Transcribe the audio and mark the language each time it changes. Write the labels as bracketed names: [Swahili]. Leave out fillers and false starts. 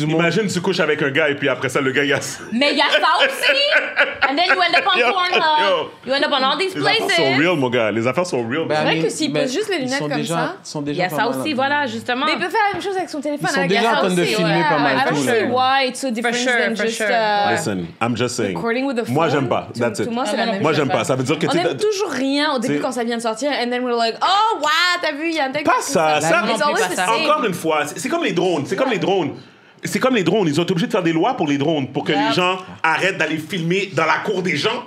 [French] Imagine, tu couches avec un gars et puis après ça, le gars, il y a. Mais il y a ça aussi! [English] And then you end up on Pornhub. You end up on all these places. [French] Les affaires sont real, mon gars. Les affaires sont real. C'est vrai que s'il pose juste les lunettes comme ça, ils sont déjà. Il y a ça aussi, voilà, justement. Mais il peut faire la même chose avec son téléphone. Ils sont déjà en train de filmer pas mal. [English] I'm sure why it's so different than just. Listen, I'm just saying. [French] Moi, j'aime pas. [English] That's it. [French] Moi, j'aime pas. Ça veut dire que tu. On aime toujours rien au début quand ça vient de sortir. [English] And then we're like, oh, wow, [French] t'as vu, il y a un texte. Pas ça, ça. Encore une fois, c'est comme les drones. C'est comme les drones. C'est comme les drones. Ils ont été obligés de faire des lois pour les drones pour que les gens arrêtent d'aller filmer dans la cour des gens.